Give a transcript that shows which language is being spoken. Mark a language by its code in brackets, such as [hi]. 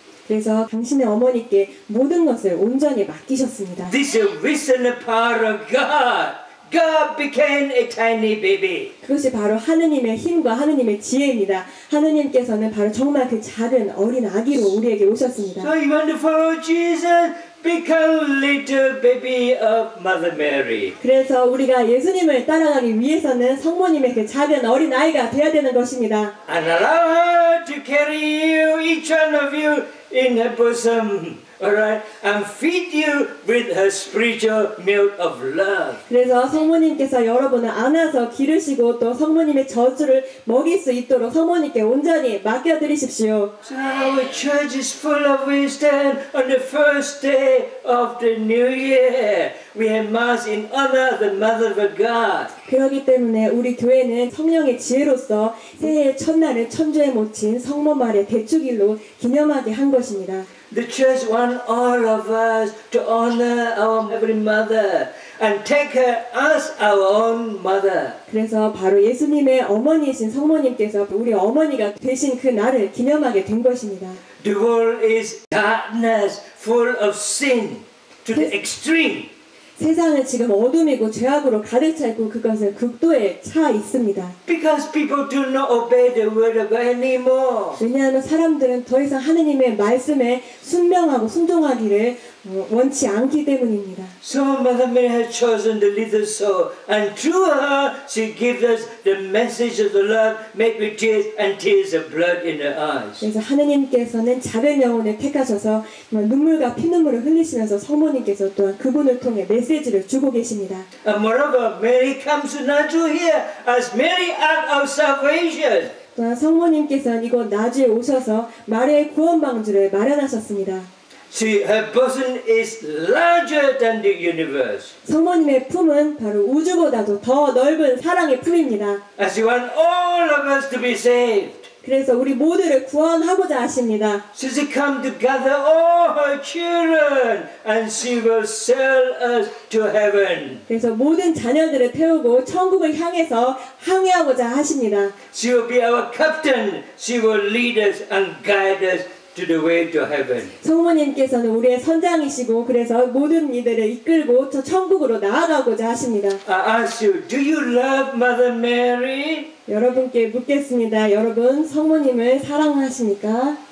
[ko] 그래서 당신의 어머니께 모든 것을 온전히 맡기셨습니다. [en] This is the wisdom and power of God. God became a tiny baby. [ko] 그것이 바로 하느님의 힘과 하느님의 지혜입니다. 하느님께서는 바로 정말 그 작은 어린 아기로 우리에게 오셨습니다. [en] So you want to follow Jesus? Become little baby of Mother Mary. [ko] 그래서 우리가 예수님을 따라가기 위해서는 성모님의 그 작은 어린 아이가 되어야 되는 것입니다. [en] And allow her to carry you, each one of you, in her bosom, alright, and feed you with her spiritual milk of love. [ko] 그래서 성모님께서 여러분을 안아서 기르시고 또 성모님의 저주를 먹일 수 있도록 성모님께 온전히 맡겨드리십시오. [en] So our church is full of wisdom on the first day of the new year. We have mass in honor of the mother of God. [ko] 그렇기 때문에 우리 교회는 성령의 지혜로서 새해 첫날을 천주에 모친 성모 마리아 대축일로 기념하게 한 것입니다. [en] The church wants all of us to honor our Heavenly Mother and take her as our own mother. [ko] 그래서 바로 예수님의 어머니이신 성모님께서 우리 어머니가 되신 그 날을 기념하게 된 것입니다. [en] The world is darkness, full of sin to the extreme. [ko] 세상은 지금 어둠이고 죄악으로 가득 차 있고 그것을 극도에 차 있습니다. [en] Because people do not obey the word of God anymore. [ko] 왜냐하면 사람들은 더 이상 하느님의 말씀에 순명하고 순종하기를 원치 않기 때문입니다. [en] So Mother Mary has chosen the little soul, and through her, she gives us the message of the love, made with tears and tears of blood in her eyes. [ko] 그래서 하느님께서는 작은 영혼을 택하셔서 눈물과 피눈물을 흘리시면서 성모님께서 또한 그분을 통해 메시지를 주고 계십니다. [en] And moreover, Mary comes to Naju here as Mary Ark of Salvation. [ko] 또한 성모님께서는 이곳 나주에 오셔서 마리아의 구원 방주를 마련하셨습니다. [en] She, her bosom is larger than the universe. [ko] 성모님의 품은 바로 우주보다도 더 넓은 사랑의 품입니다. [en] And she wants all of us to be saved. [ko] 그래서 우리 모두를 구원하고자 하십니다. [en] She has come to gather all her children, and she will sail us to heaven. [ko] 그래서 모든 자녀들을 태우고 천국을 향해서 항해하고자 하십니다. [en] She will be our captain. She will lead us and guide us. To the way to heaven. [ko] 성모님께서는 우리의 선장이시고 그래서 모든 이들을 이끌고 저 천국으로 나아가고자 하십니다. [en] I ask you, do you love Mother Mary? [ko] 여러분께 묻겠습니다. 여러분 성모님을 사랑하십니까?